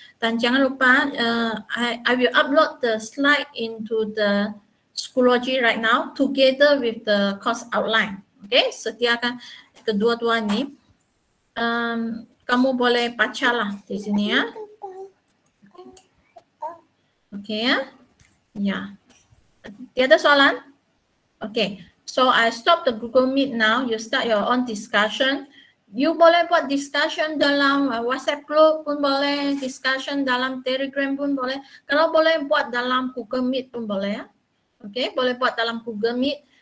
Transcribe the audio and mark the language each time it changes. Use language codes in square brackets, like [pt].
[ms] Dan jangan lupa, [en] I will upload the slide into the Schoology right now together with the course outline. [ms] Okay, sediakan kedua-dua ini. Kamu boleh baca lah di sini ya. Okay ya. Yeah. Tiada soalan? Okay. [en] So I stop the Google Meet now. You start your own discussion. [ms] You boleh buat discussion dalam WhatsApp group pun boleh, discussion dalam Telegram pun boleh. Kalau boleh buat dalam Google Meet pun boleh ya. Okay, boleh buat dalam Google Meet.